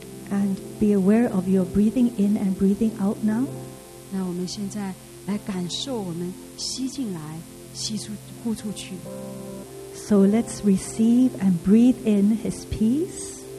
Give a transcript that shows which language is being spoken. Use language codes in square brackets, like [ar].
[en] And be aware of your breathing in and breathing out now. [zh] 那我们现在来感受我们吸进来，吸出，呼出去。 [en] So let's receive and breathe in His peace.